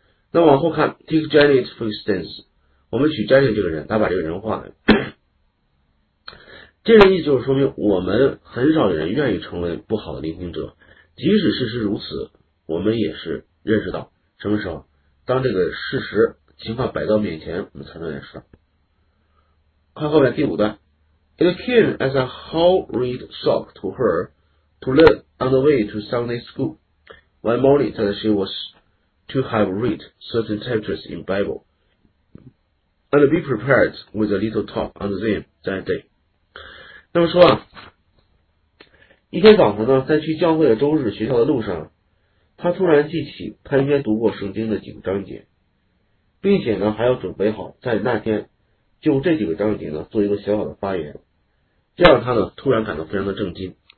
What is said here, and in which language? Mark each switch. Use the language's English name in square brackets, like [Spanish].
[Chinese] 那往后看 [English] Take Janet for instance， [Chinese] 我们举 Janet 这个人，他把这个人画了。这个意思就是说明我们很少有人愿意成为不好的聆听者，即使事实如此，我们也是认识到什么时候，当这个事实情况摆到面前，我们才能认识到。看后面第五段 [English] It came as a whole red shock to her to learn on the way to Sunday school one morning that she was to have read certain chapters in Bible and be prepared with a little talk on them that day。 [Chinese] 那么说啊，一天早上呢，在去教会的周日学校的路上，他突然记起他应该读过圣经的几个章节，并且呢还要准备好在那天就这几个章节呢做一个小小的发言，这让他呢突然感到非常的震惊。